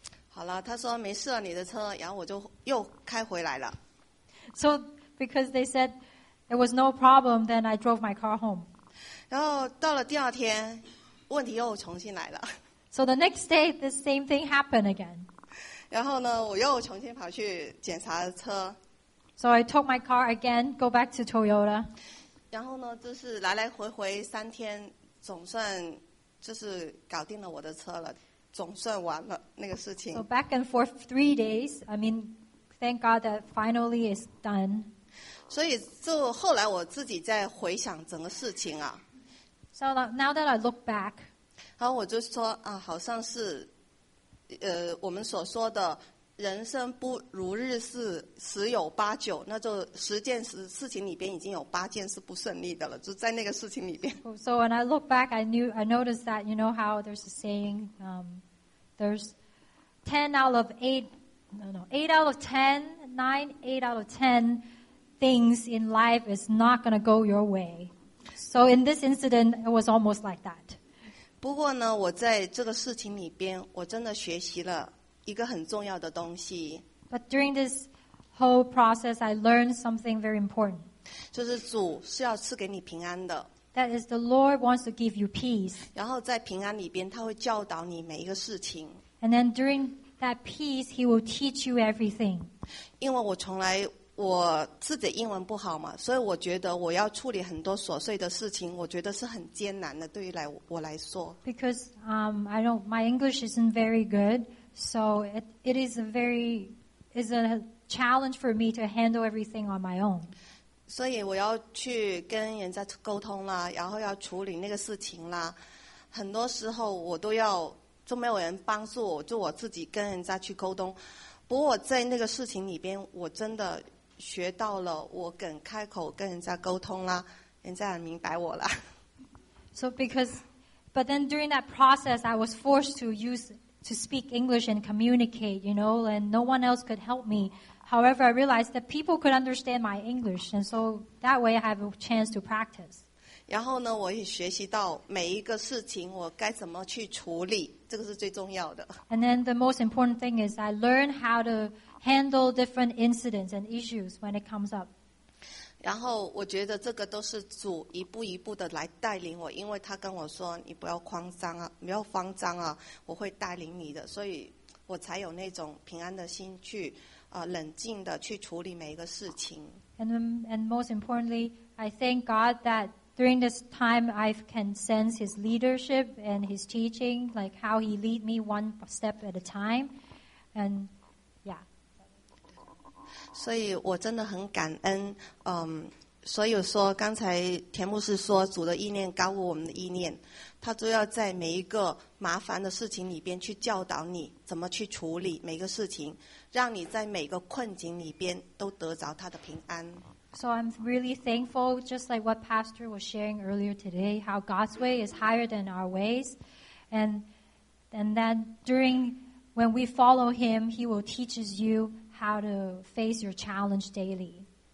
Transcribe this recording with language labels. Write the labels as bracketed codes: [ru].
[zh] 好了，他说没事了，你的车，然后我就又开回来了。 [en] So because they said it was no problem, then I drove my car home. [zh] 然后到了第二天。问题又重新来了。 [en] So the next day, the same thing happened again. [zh] 然后呢，我又重新跑去检查车。 [en] So I took my car again, go back to Toyota. [zh] 然后呢，就是来来回回三天，总算就是搞定了我的车了，总算完了那个事情。 [en] So back and forth 3 days. I mean, thank God that finally is done. [zh] 所以就后来我自己在回想整个事情啊。 [en] So now that I look back, [zh] 然后我就说啊，好像是，我们所说的“人生不如日事，十有八九”，那就10件事情里边已经有8件是不顺利的了，就在那个事情里边。 [en] So when I look back, I noticed that you know how there's a saying, there's 8 out of 10 things in life is not going to go your way. So in this incident, it was almost like that. [zh] 不过呢，我在这个事情里边，我真的学习了一个很重要的东西。 [en] But during this whole process, I learned something very important. [zh] 就是主是要赐给你平安的。 [en] That is the Lord wants to give you peace. [zh] 然后在平安里边，他会教导你每一个事情。 [en] And then during that peace, he will teach you everything. [zh] 因为我从来我自己英文不好嘛，所以我觉得我要处理很多琐碎的事情，我觉得是很艰难的，对于我来说。 [en] Because I don't, my English isn't very good, so it is a challenge for me to handle everything on my own. [zh] 所以我要去跟人家沟通啦，然后要处理那个事情啦，很多时候我都要就没有人帮助我，就我自己跟人家去沟通。不过我在那个事情里边，我真的。学到了，我敢开口跟人家沟通啦，人家很明白我了。 [en] So because, but then during that process, I was forced to speak English and communicate, you know, and no one else could help me. However, I realized that people could understand my English, and so that way I have a chance to practice. [zh] 然后呢，我也学习到每一个事情我该怎么去处理，这个是最重要的。 [en] And then the most important thing is I learned how to. Handle different incidents and issues when it comes up. [zh] 然后我觉得这个都是主一步一步的来带领我，因为他跟我说你不要慌张啊，不要慌张啊，我会带领你的，所以我才有那种平安的心去冷静的去处理每一个事情。 [en] And most importantly, I thank God that During this time, I can sense his leadership and his teaching, like how he lead me one step at a time. And yeah. [zh] 所以我真的很感恩，所以说刚才田牧师说主的意念高过我们的意念，他都要在每一个麻烦的事情里边去教导你怎么去处理每个事情，让你在每个困境里边都得着他的平安。 [en] So I'm really thankful, just like what Pastor was sharing earlier today, how God's way is higher than our ways. And then during, when we follow Him, He will teach you how to face your challenge daily.